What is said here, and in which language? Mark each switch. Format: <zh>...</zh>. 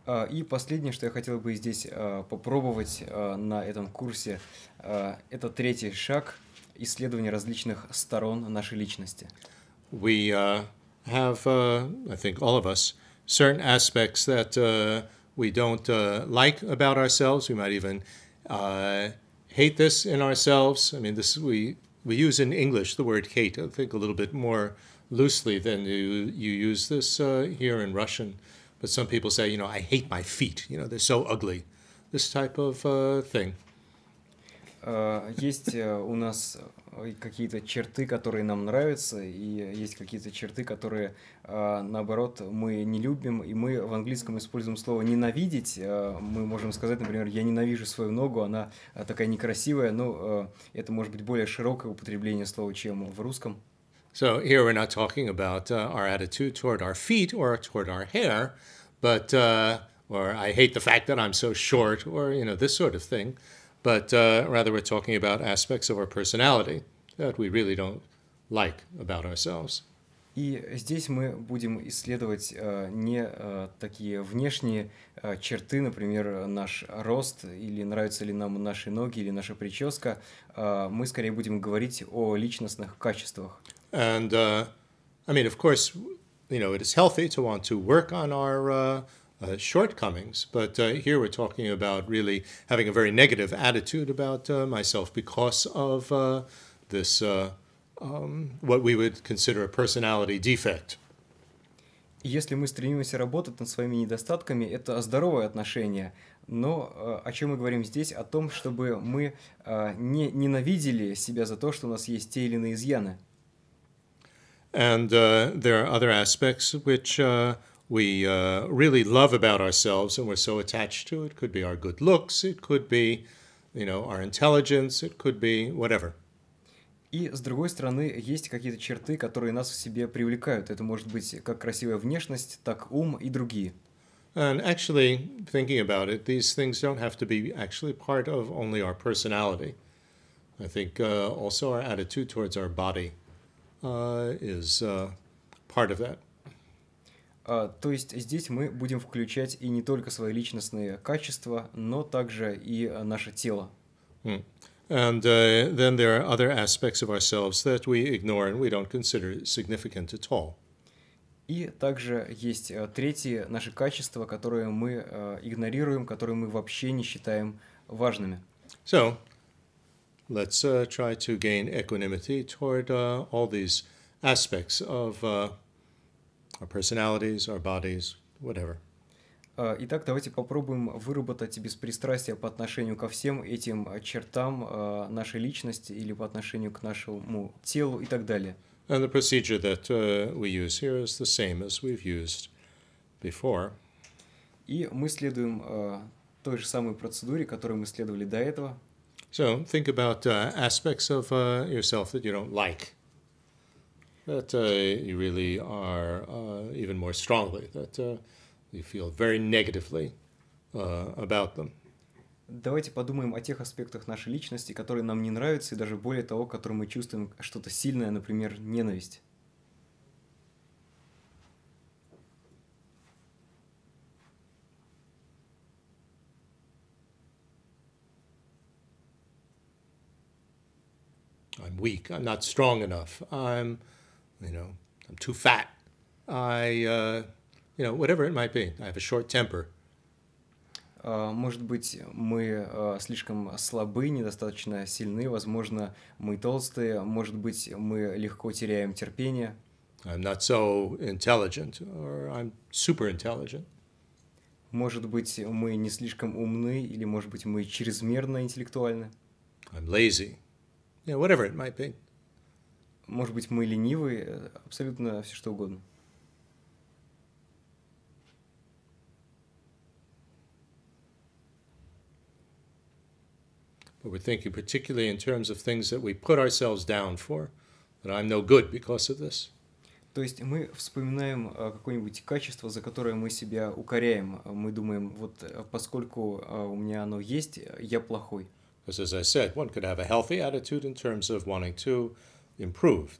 <ru>И последнее, что я хотел бы здесь попробовать на этом курсе, это третий шаг исследования различных сторон нашей личности.</ru> <en>We have, I think all of us, certain aspects that we don't like about ourselves. We might even hate this in ourselves. I mean, this we use in English the word hate, I think, a little bit more loosely than you use this here in Russian. But some people say, you know, I hate my feet. You know, they're so ugly. This type of thing.</en> <ru>Есть у нас какие-то черты, которые нам нравятся, и есть какие-то черты, которые, наоборот, мы не любим. И мы в английском используем слово «ненавидеть». Мы можем сказать, например, «я ненавижу свою ногу, она такая некрасивая». Но это может быть более широкое употребление слова, чем в русском.</ru> <en>So here we're not talking about our attitude toward our feet or toward our hair, but or I hate the fact that I'm so short or, you know, this sort of thing. But rather we're talking about aspects of our personality that we really don't like about ourselves.</en> <ru>И здесь мы будем исследовать не такие внешние черты, например, наш рост, или нравятся ли нам наши ноги, или наша прическа. Мы скорее будем говорить о личностных качествах.</ru> <en>And, I mean, of course, you know, it is healthy to want to work on our shortcomings, but here we're talking about really having a very negative attitude about myself because of this, what we would consider a personality defect.</en> <ru>Если мы стремимся работать над своими недостатками, это здоровое отношение. Но о чем мы говорим здесь? О том, чтобы мы не ненавидели себя за то, что у нас есть те или иные изъяны.</ru> <en>And there are other aspects which we really love about ourselves and we're so attached to. It could be our good looks, it could be, you know, our intelligence, it could be whatever.</en> <ru>И, с другой стороны, есть какие-то черты, которые нас в себе привлекают. Это может быть как красивая внешность, так ум и другие.</ru> <en>And actually, thinking about it, these things don't have to be actually part of only our personality. I think also our attitude towards our body is part of that.</en> <ru>То есть здесь мы будем включать и не только свои личностные качества, но также и наше тело.</ru> <en>And then there are other aspects of ourselves that we ignore and we don't consider significant at all.</en> <ru>И также есть третье наше качество, которое мы игнорируем, которое мы вообще не считаем важными.</ru> <en>So, let's try to gain equanimity toward all these aspects of our personalities, our bodies, whatever.</en> <ru>Итак, давайте попробуем выработать беспристрастие по отношению ко всем этим чертам нашей личности или по отношению к нашему телу и так далее.</ru> <en>And the procedure that we use here is the same as we've used before.</en> <ru>И мы следуем той же самой процедуре, которую мы следовали до этого.</ru> <en>So think about aspects of yourself that you don't like. That you really are even more strongly, that you feel very negatively about them.</en> <ru>Давайте подумаем о тех аспектах нашей личности, которые нам не нравятся, и даже более того, к которым мы чувствуем что-то сильное, например, ненависть.</ru> <en>I'm weak. I'm not strong enough. I'm, I'm too fat. I whatever it might be. I have a short temper.</en> <ru>Может быть, мы слишком слабы, недостаточно сильны. Возможно, мы толстые. Может быть, мы легко теряем терпение.</ru> <en>I'm not so intelligent, or I'm super intelligent.</en> <ru>Может быть, мы не слишком умны, или, может быть, мы чрезмерно интеллектуальны.</ru> <en>I'm lazy. Yeah, whatever it might be.</en> <ru>Может быть, мы ленивы, абсолютно все что угодно.</ru> <en>But we're thinking particularly in terms of things that we put ourselves down for, that I'm no good because of this.</en> <ru>То есть мы вспоминаем какое-нибудь качество, за которое мы себя укоряем. Мы думаем, вот поскольку у меня оно есть, я плохой.</ru> <en>Because as I said, one could have a healthy attitude in terms of wanting to improve.</en>